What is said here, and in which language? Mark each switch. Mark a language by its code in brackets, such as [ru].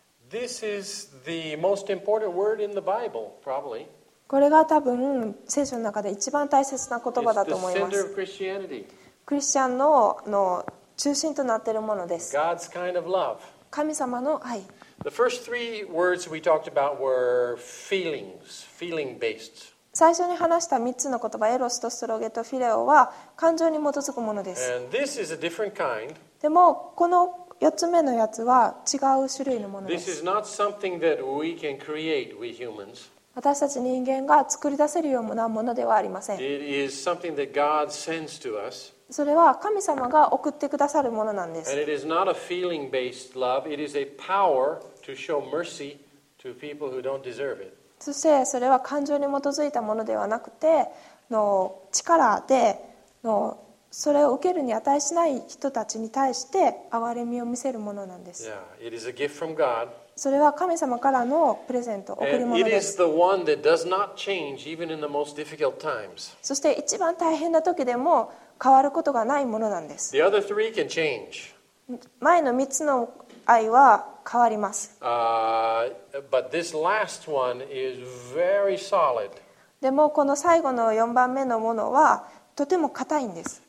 [en] This is the most important word in the Bible, probably. [ja] これが多分聖書の中で一番大切な言葉だと思います。 [en] It's the center of Christianity. [ja] クリスチャンの、中心となっているものです。 [en] God's kind of love. [ja] 神様の愛。 [en] The first three words we talked about were feelings, feeling-based. [ja] 最初に話した3つの言葉、エロスとストロゲとフィレオは感情に基づくものです。 [en] And this is a different kind. [ja] でもこの4つ目のやつは違う種類のものです。 [en] This is not something that we can create, we humans. [ja] 私たち人間が作り出せるようなものではありません。 [en] It is something that God sends to us. [ja] それは神様が送ってくださるものなんです。 [en] And it is not a feeling-based love. It is a power to show mercy to people who don't deserve it. [ja] そしてそれは感情に基づいたものではなくて、の力でのそれを受けるに値しない人たちに対して憐れみを見せるものなんです。 [en] Yeah, it is a gift from God. [ja] それは神様からのプレゼント、贈り物です。 [en] And it is the one that does not change even in the most difficult times. [ja] そして一番大変な時でも変わることがないものなんです。 [en] The other three can change. [ja] 前の3つの愛は変わります。 [en] But this last one is very solid. [ja] でもこの最後の4番目のものはとても硬いんです。